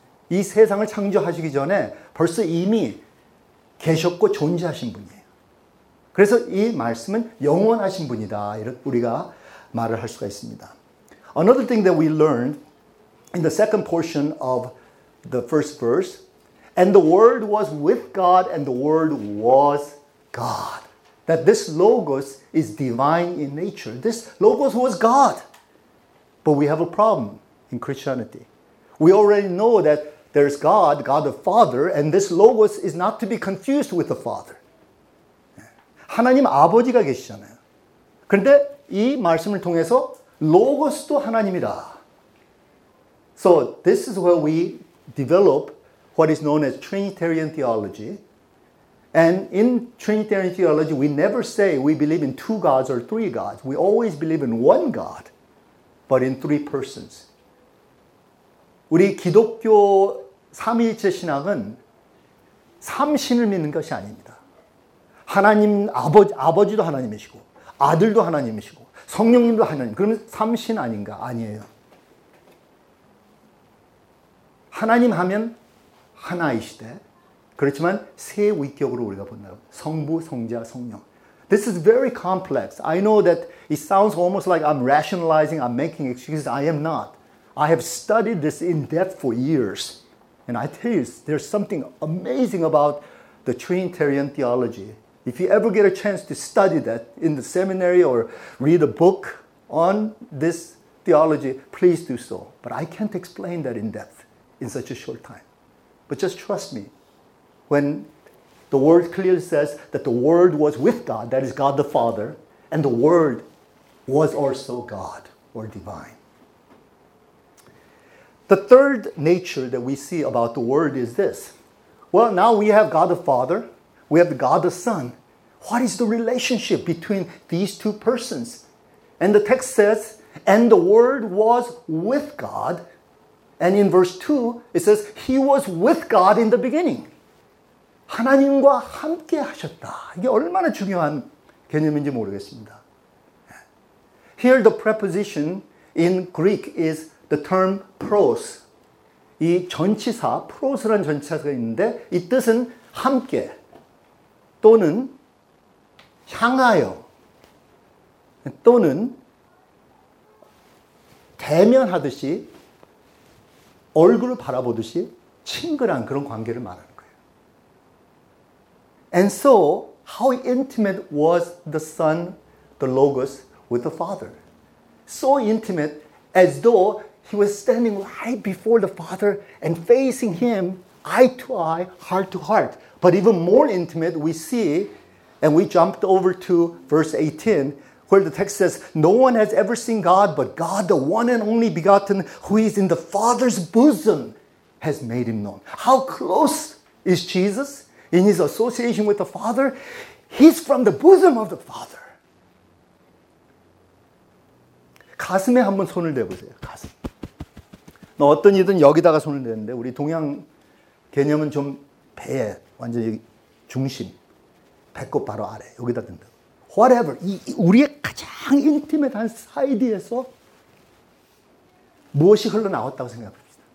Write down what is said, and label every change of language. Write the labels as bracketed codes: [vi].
[ko] 이 세상을 창조하시기 전에 벌써 이미 계셨고 존재하신 분이에요. 그래서 이 말씀은 영원하신 분이다. 우리가 말을 할 수가 있습니다. [en] Another thing that we learned in the second portion of the first verse, and the Word was with God, and the Word was God. That this Logos is divine in nature. This Logos was God. But we have a problem in Christianity. We already know that there's God, God the Father, and this Logos is not to be confused with the Father. [ko] 하나님 아버지가 계시잖아요. 그런데 이 말씀을 통해서 로고스도 하나님이다. [en] So this is where we develop what is known as Trinitarian theology. And in Trinitarian theology, we never say we believe in two gods or three gods. We always believe in one God, but in three persons. [ko] 우리 기독교 삼위일체 신앙은 삼신을 믿는 것이 아닙니다. 하나님 아버지도 하나님이시고 아들도 하나님이시고 성령님도 하나님. 그러면 삼신 아닌가? 아니에요. 하나님 하면 하나이시되 그렇지만 세 위격으로 우리가 본다고. 성부, 성자, 성령. [en] This is very complex. I know that it sounds almost like I'm rationalizing, I'm making excuses. I am not. I have studied this in depth for years. And I tell you, there's something amazing about the Trinitarian theology. If you ever get a chance to study that in the seminary or read a book on this theology, please do so. But I can't explain that in depth in such a short time. But just trust me. When the Word clearly says that the Word was with God, that is God the Father, and the Word was also God or divine. The third nature that we see about the Word is this. Well, now we have God the Father, we have God the Son. What is the relationship between these two persons? And the text says, and the Word was with God. And in verse 2, it says, He was with God in the beginning. [ko] 하나님과 함께 하셨다. 이게 얼마나 중요한 개념인지 모르겠습니다. [en] Here the preposition in Greek is the term pros. [ko] 이 전치사, pros라는 전치사가 있는데 이 뜻은 함께 또는 향하여 또는 대면하듯이 얼굴을 바라보듯이 친근한 그런 관계를 말하는 거예요. [en] And so, how intimate was the Son, the Logos, with the Father? So intimate as though he was standing right before the Father and facing him eye to eye, heart to heart. But even more intimate, we see, and we jumped over to verse 18, where the text says, No one has ever seen God, but God, the one and only begotten, who is in the Father's bosom, has made him known. How close is Jesus in his association with the Father? He's from the bosom of the Father. [ko] 가슴에 한번 손을 대보세요. 가슴. 너 어떤 이든 여기다가 손을 대는데 우리 동양 개념은 좀 배에 완전히 중심. 배꼽 바로 아래 여기다 든다. [en] Whatever. [ko] 이 우리의 가장 인티메이트한 사이드에서 무엇이 흘러나왔다고 생각합니다.